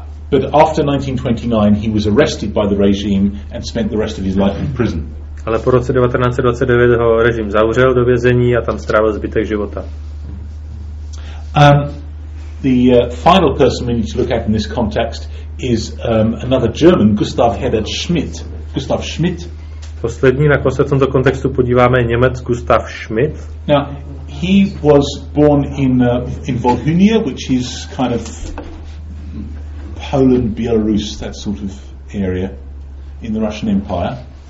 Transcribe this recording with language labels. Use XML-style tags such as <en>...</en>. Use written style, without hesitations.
<en>But after 1929 he was arrested by the regime and spent the rest of his life in prison.</en> <cs>Ale po roce 1929 ho režim zavřel do vězení a tam strávil zbytek života.</cs> <en>Final person we need to look at in this context is another German, Gustav Herbert Schmidt. Gustav Schmidt.</en> <cs>Poslední, na koho se v tomto kontextu podíváme, Němec Gustav Schmidt.</cs> <en>Now, he was born in Volhynia, which is kind of Poland, Belarus, that sort of area in the Russian Empire.</en>